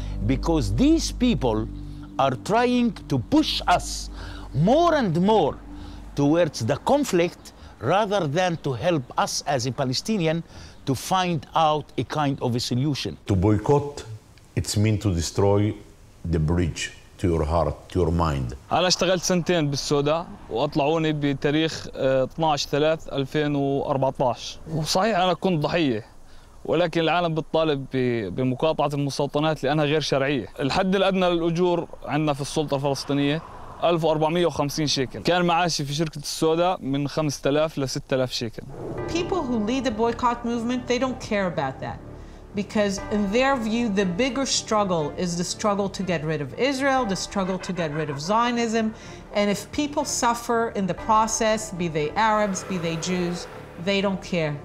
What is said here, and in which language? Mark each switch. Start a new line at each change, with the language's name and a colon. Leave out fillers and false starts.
English: Because these people are trying to push us more and more towards the conflict rather than to help us as a Palestinian to find out a kind of a solution. To boycott, it's mean to destroy the bridge to your heart, to your mind.
Arabic: أنا اشتغلت سنتين بالسودا وأطلعوني بتاريخ 12/3/2014 وصحيح أنا كنت ضحية ولكن العالم بتطالب بمقاطعة المستوطنات لأنها غير شرعية. الحد الأدنى للأجور عندنا في السلطة الفلسطينية 1450 شيكل. كان معاشي في شركة السودا من 5000 ل 6000 شيكل.
English: People who lead the boycott movement, they don't care about that. Because in their view, the bigger struggle is the struggle to get rid of Israel, the struggle to get rid of Zionism. And if people suffer in the process, be they Arabs, be they Jews, they don't care.